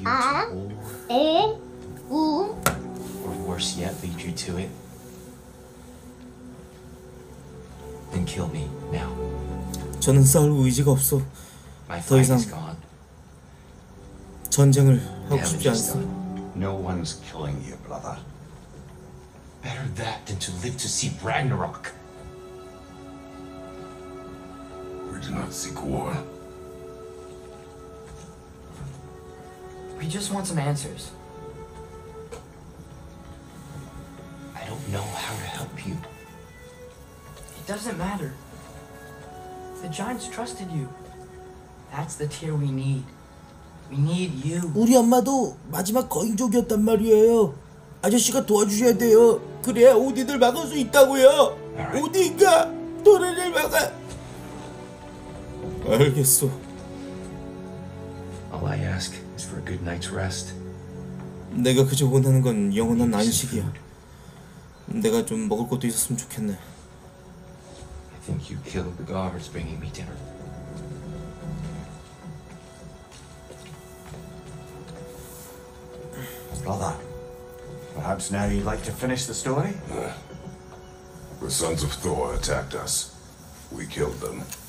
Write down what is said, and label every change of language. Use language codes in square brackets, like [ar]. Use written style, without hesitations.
[en] 아. 에. 우. Or worse yet, lead you to it. Then kill me now. [ko] 저는 싸울 의지가 없어. 더 이상 전쟁을 하고 싶지 않소. [en] No one's killing you, brother. Better that than to live to see Ragnarok. We do not seek war. We just want some answers. I don't know how to help you. It doesn't matter. The giants trusted you. That's the tear we need. We need you. [ko] 우리 엄마도 마지막 거인족이었단 말이에요. 아저씨가 도와주셔야 돼요. 그래야 오딘을 막을 수 있다고요. [en] Right. [ko] 오딘과 도련을 막아. 알겠어. [en] All I ask is for a good night's rest. [ko] 내가 그저 원하는 건 영원한 안식이야. 내가 좀 먹을 것도 있었으면 좋겠네. [en] I think you killed the guards bringing me dinner. Brother, perhaps now you'd like to finish the story? The sons of Thor attacked us. We killed them.